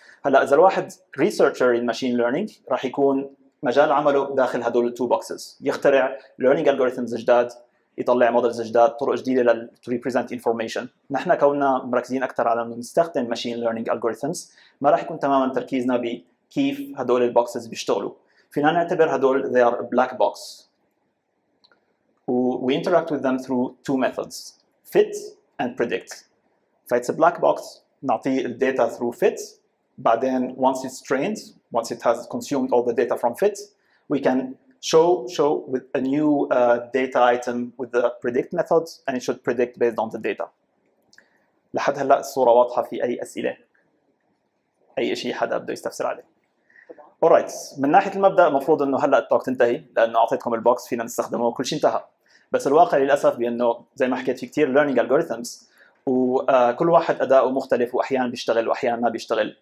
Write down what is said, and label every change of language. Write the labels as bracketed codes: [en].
[ar] هلا اذا الواحد [en] researcher in machine learning [ar] راح يكون مجال عمله داخل هدول التو بوكسز, يخترع ليرنينج الجوريثمز جداد, يطلع مودلز جداد, طرق جديده [en] للتو represent information. [ar] نحن كوننا مركزين اكثر على نستخدم [en] machine learning algorithms [ar] ما راح يكون تماما تركيزنا بكيف هدول البوكسز بيشتغلوا. فينا نعتبر هدول [en] they are black box we interact with them through two methods fit and predict. If it's a black box [ar] نعطي الداتا [en] through fit, [ar] بعدين [en] once it's trained, once it has consumed all the data from fit, we can show with a new data item with the predict method, and it should predict based on the data. [ar] لحد هلا الصوره واضحه؟ في اي اسئله, اي شيء حدا بده يستفسر عليه؟ alright, من ناحيه المبدا المفروض انه هلا التوك تنتهي لانه اعطيتكم البوكس فينا نستخدمه وكل شيء انتهى. بس الواقع للاسف بانه زي ما حكيت في كثير ليرنينج الجوريثمز وكل واحد اداؤه مختلف واحيانا بيشتغل واحيانا ما بيشتغل.